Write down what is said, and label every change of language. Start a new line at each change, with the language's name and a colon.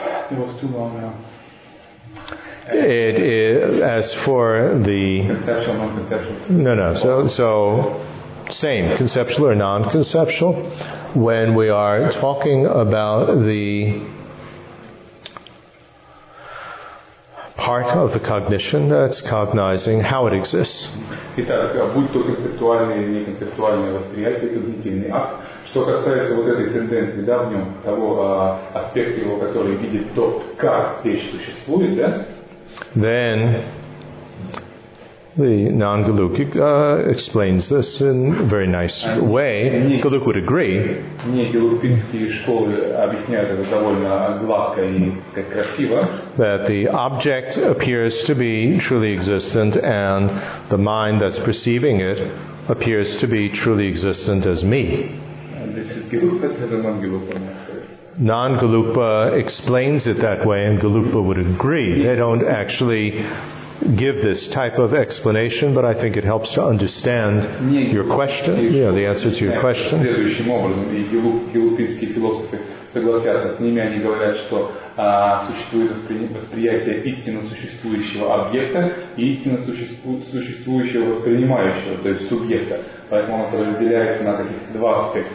English: It was too long now. Conceptual, non-conceptual. So same, conceptual or non-conceptual. When we are talking about the part of the cognition that's cognizing how it exists.
Russian: Итак, будь то концептуальное или неконцептуальное восприятие, когнитивный акт. Что касается вот этой тенденции, да, в нем того аспекта его, который видит то, как вещь существует, да?
English: Then the non-Galuk explains this in a very nice way. Galuk would agree.
Russian: Не-галукинские школы объясняют это довольно гладко и как красиво.
English: That the object appears to be truly existent, and the mind that's perceiving it appears to be truly existent as me. This is Galuk, but not Galuk. non-Galupa explains it that way, and Galupa would agree. They don't actually give this type of explanation, but I think it helps to understand your question, you know, the answer to your question.
Russian: Существует восприятие истинно существующего объекта и истинно существующего воспринимающего, то есть субъекта. Поэтому оно разделяется на таких два аспекта.